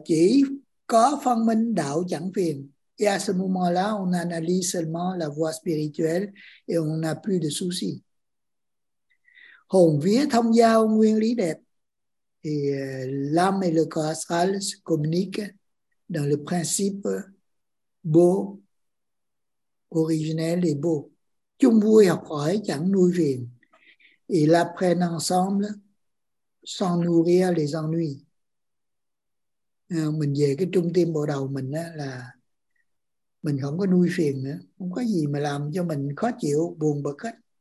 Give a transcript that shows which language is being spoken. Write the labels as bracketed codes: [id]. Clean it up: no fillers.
[vi] Chỉ có phân minh đạo chẳng phiền. [fr] Et à ce moment-là, on analyse seulement la voie spirituelle et on n'a plus de soucis. [vi] Hồn vía thông giao nguyên lý đẹp. [fr] Et l'âme et le corps astral se communiquent dans le principe beau, originel et beau. [vi] Chung vui học hỏi chẳng nuôi phiền. [fr] Ils apprennent ensemble sans nourrir les ennuis. [vi] Mình về cái trung tâm bộ đầu mình á, là mình không có nuôi phiền nữa, không có gì mà làm cho mình khó chịu, buồn bực hết.